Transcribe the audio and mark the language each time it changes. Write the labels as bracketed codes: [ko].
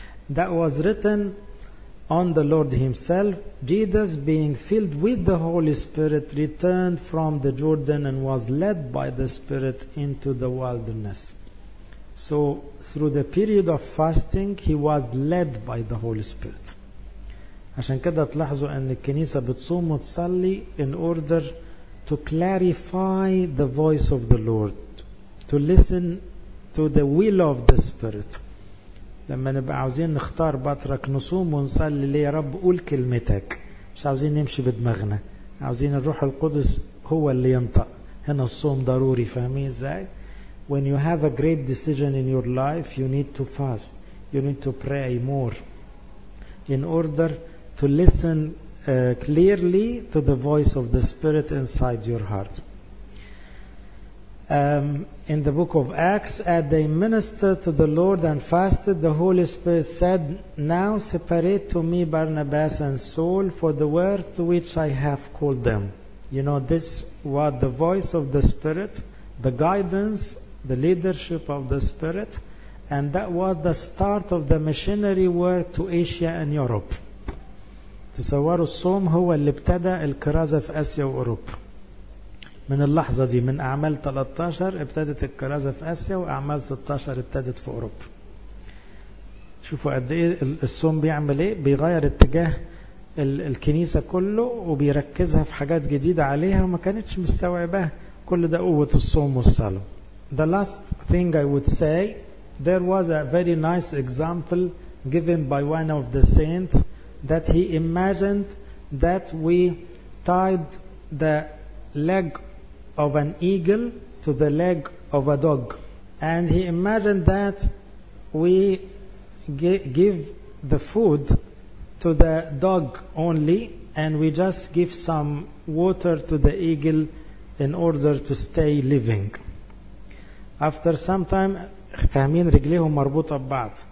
[en] That was written on the Lord himself. Jesus, being filled with the Holy Spirit, returned from the Jordan and was led by the Spirit into the wilderness. So through the period of fasting, he was led by the Holy Spirit. [ar] عشان كده تلاحظوا ان الكنيسة بتصوم وتصلي [en] in order to clarify the voice of the Lord, to listen to the will of the Spirit. [ar] لما نبقى عاوزين نختار بطرك نصوم ونصلي ليه يا رب قول كلمتك, مش عاوزين نمشي بدماغنا, عاوزين الروح القدس هو اللي ينطق. هنا الصوم ضروري, فاهمين ازاي؟ [en] When you have a great decision in your life, you need to fast, you need to pray more in order to listen clearly to the voice of the Spirit inside your heart. In the book of Acts, as they ministered to the Lord and fasted, the Holy Spirit said, Now separate to me Barnabas and Saul for the work to which I have called them. You know, this was the voice of the Spirit, the guidance, the leadership of the Spirit, and that was the start of the missionary work to Asia and Europe. [ar] تصوروا الصوم هو اللي ابتدى الكرازة في آسيا وأوروبا. من اللحظة دي, من أعمال 13 ابتدت الكرازة في آسيا, وأعمال 16 ابتدت في أوروبا. شوفوا قد إيه الصوم بيعمل إيه, بيغير اتجاه الكنيسة كله وبيركزها في حاجات جديدة عليها وما كانتش مستوعبها. كل ده قوة الصوم والصلاة. [en] The last thing I would say, there was a very nice example given by one of the saints that he imagined that we tied the leg of an eagle to the leg of a dog. And he imagined that we give the food to the dog only, and we just give some water to the eagle in order to stay living. After some time, [ar] فاهمين رجليهم مربوطة ببعض.